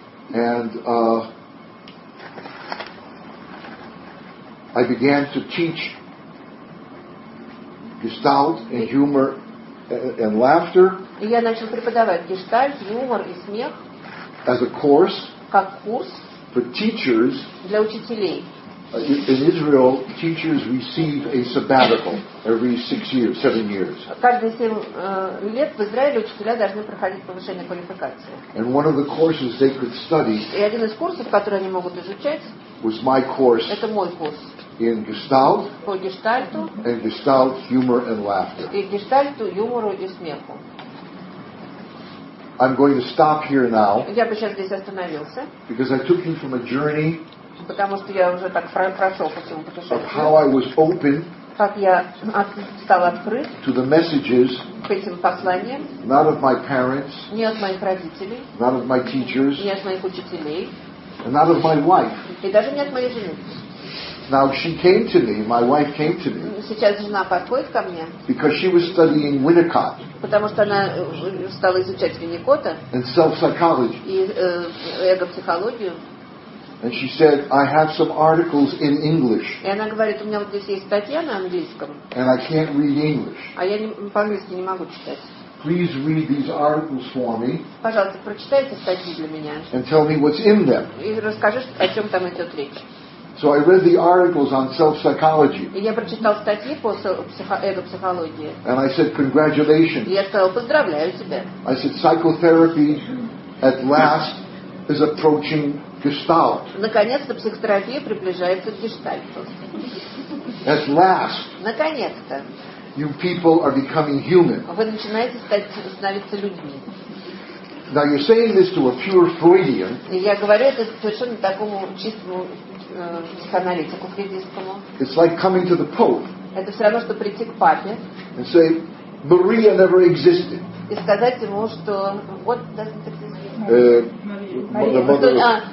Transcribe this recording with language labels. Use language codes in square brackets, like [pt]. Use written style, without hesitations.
[en] And I began to teach gestalt and humor and laughter. [ru] И я начал преподавать гештальт, юмор и смех. [en] As a course, [ru] как курс, [en] for teachers, [ru] для учителей. [en] In Israel, teachers receive a sabbatical every 6 years, 7 years. [ru] Каждые 7 лет в Израиле учителя должны проходить повышение квалификации. [en] And one of the courses they could study, [ru] и один из курсов, который они могут изучать, [en] was my course, [ru] это мой курс, [en] in gestalt, [ru] по гештальту, [en] and gestalt, humor and laughter, [ru] и гештальту, юмору и смеху. [en] I'm going to stop here now. [ru] Я бы сейчас здесь остановился. [en] Because I took you from a journey. [ru] Потому что я уже так прошел по всему путешествию. [en] Of how I was open. [ru] Как я стал открыт. [en] To the messages. [ru] К этим посланиям. [en] Not of my parents. [ru] Не от моих родителей. [en] Not of my teachers. [ru] Не от моих учителей. [en] And not of my wife. [ru] И даже не от моей жены. [en] Now she came to me, my wife came to me. [ru] Сейчас жена подходит ко мне. [en] Because she was studying Winnicott. [ru] Потому что она стала изучать Винникотта. [en] And self-psychology. [ru] И эго-психологию. [en] And she said, I have some articles in English. [ru] И она говорит, у меня вот здесь есть статья на английском. [en] And I can't read English. [ru] А я по-английски не могу читать. [en] Please read these articles for me. [ru] Пожалуйста, прочитайте статьи для меня. [en] And tell me what's in them. [ru] И расскажи, о чем там идет речь. [en] So I read the articles on self-psychology. [ru] И я прочитал статьи по эго-психологии. [en] And I said, congratulations. [ru] И я сказал, поздравляю тебя. [en] I said, psychotherapy at last is approaching gestalt. [ru] Наконец-то психотерапия приближается к гештальту. [en] At last. [ru] Наконец-то. [en] You people are becoming human. [ru] Вы начинаете становиться людьми. [en] Now you're saying this to a pure Freudian. [ru] И я говорю это совершенно такому чистому психоаналитику фридистскому. [en] It's like coming to the Pope. [ru] Это все равно, что прийти к папе. [en] And say, Maria never existed. [ru] И сказать ему, что [en] what doesn't exist. [ru] Мария.